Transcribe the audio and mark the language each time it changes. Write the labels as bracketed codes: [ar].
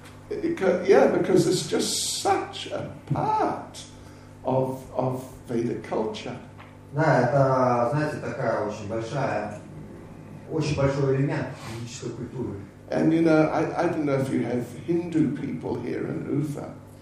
[en] Yeah, because it's just such a part of Vedic culture. [ru] Да, это, знаете, такая очень большой элемент ведической культуры. [en] And you know, I don't know if you have Hindu people here in Ufa.